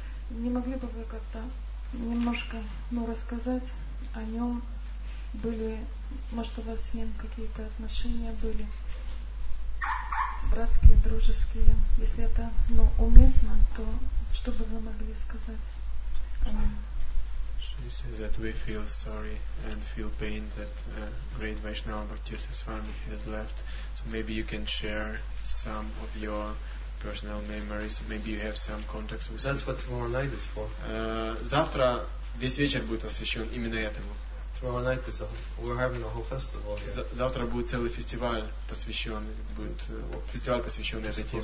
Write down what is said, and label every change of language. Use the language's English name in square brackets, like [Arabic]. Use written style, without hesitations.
[Russian] Не могли бы вы как-то немножко, ну, рассказать о нем? Были, может, у вас с ним какие-то отношения были? Братские, дружеские. Если это, ну, уместно, то что бы вы могли сказать о нем? [English] She says that we feel sorry and feel pain that great Vaishnava Tirtha Swami has left. So maybe you can share some of your personal memories. Maybe you have some contacts with. That's what tomorrow night is for. [Russian] Завтра весь вечер будет посвящен именно этому. [English] Tomorrow night is we're having a whole festival. [Russian] Завтра будет целый фестиваль посвящен, будет фестиваль посвящен этой теме.